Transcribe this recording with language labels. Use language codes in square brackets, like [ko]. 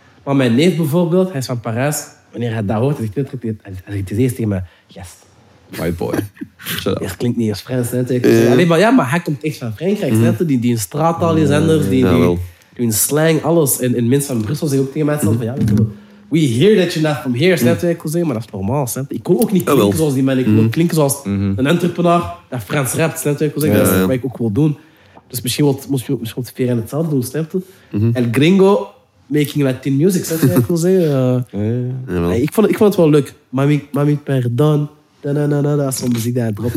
[nl] Maar mijn neef bijvoorbeeld, hij is van Parijs. Wanneer hij dat hoort, hij zegt het eerst tegen me... [en] Yes. My boy. [nl] Ja, dat klinkt niet als Frans, hè. Alleen maar, ja, maar hij komt echt van Frankrijk. Die in straattaal is anders. Die in slang, alles. En mensen van Brussel zeggen ook tegen mij hetzelfde. [en] We hear that you're not from here, [nl] snap je? Maar dat is normaal, snap je? Ik kon ook niet klinken zoals die man. Ik wil klinken zoals een entrepreneur dat Frans rapt, snap je? Dat is wat ik ook wil doen. Dus misschien moet je het aan hetzelfde doen, snap je? [en] El Gringo, making Latin music, [nl] snap je? Ik vond het wel leuk. Mami Perdón. Dat is zo'n muziek dat hij dropt.